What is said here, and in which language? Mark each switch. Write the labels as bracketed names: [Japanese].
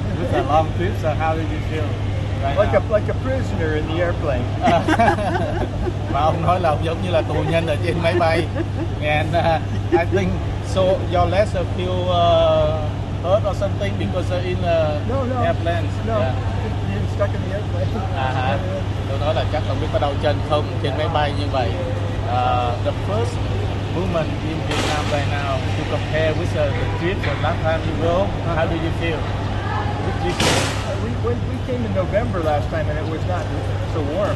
[English] It's a long trip, so how did you feel? Right, like a prisoner in the airplane. [Vietnamese] Mà ông nói là giống như là tù nhân ở trên máy bay. [English] And I think so your legs feel hurt or something because in the airplane. No. Being stuck in the airplane. [Vietnamese] Tôi nói là chắc không biết có đau chân không trên máy bay như vậy. [English] The first woman in Vietnam right now to compare with the trip from last time you go. How do you feel? We came in November last time and it was not so warm.